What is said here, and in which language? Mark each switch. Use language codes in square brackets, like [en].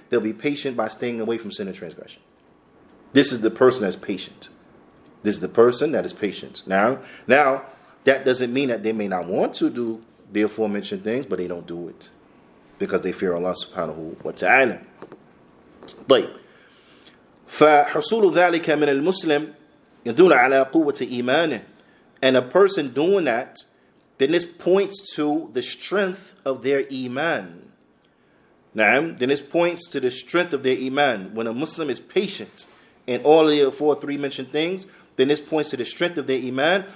[en] They'll be patient by staying away from sin and transgression. This is the person that's patient. This is the person that is patient. Now, That doesn't mean that they may not want to do the aforementioned things, but they don't do it because they fear Allah subhanahu wa ta'ala. [ar] طيب فحصول ذلك من المسلم يدل على قوة إيمانه. [en] And a person doing that, then this points to the strength of their iman. Na'am, then this points to the strength of their iman. When a Muslim is patient in all of the aforementioned mentioned things, then this points to the strength of their iman.